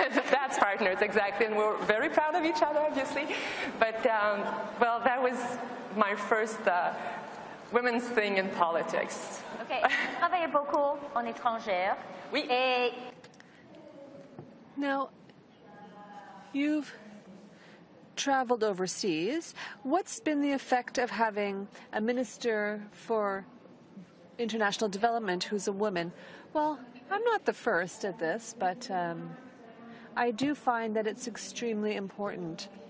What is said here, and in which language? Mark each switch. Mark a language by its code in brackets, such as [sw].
[en] that's partners, exactly. And we're very proud of each other, obviously. But, well, that was my first women's thing in politics. Okay. [fr] Vous travaillez beaucoup en étrangère. Oui. Et... [en] Now, you've traveled overseas. What's been the effect of having a minister for international development who's a woman? Well, I'm not the first at this, but I do find that it's extremely important.